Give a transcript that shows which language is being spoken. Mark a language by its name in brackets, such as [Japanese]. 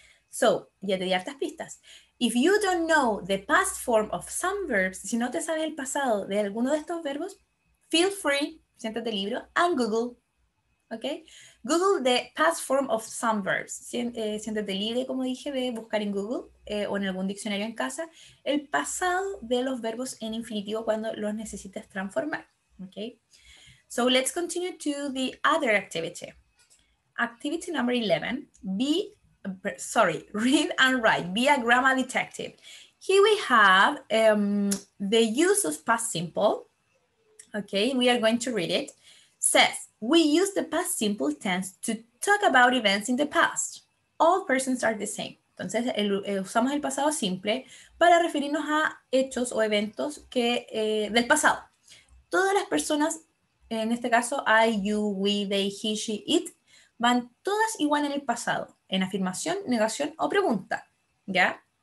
[Spanish] So, ya te di hartas pistas. [English] If you don't know the past form of some verbs, [Spanish] si no te sabes el pasado de alguno de estos verbos, [English] feel free, [Spanish] siéntate libre, [English] and Google, [Spanish] ¿ok? [English] Google the past form of some verbs. [Spanish] Siéntete libre, como dije, de buscar en Google o en algún diccionario en casa el pasado de los verbos en infinitivo cuando los necesites transformar, ¿ok? [English] So let's continue to the other activity. Activity number 11, read and write, be a grammar detective. Here we have the use of past simple. Okay, we are going to read it. Says, we use the past simple tense to talk about events in the past. All persons are the same. [Spanish] Entonces, usamos el pasado simple para referirnos a hechos o eventos que, del pasado. Todas las personas, en este caso, I, you, we, they, he, she, it, van todas igual en el pasado, en afirmación, negación o pregunta, ¿ya?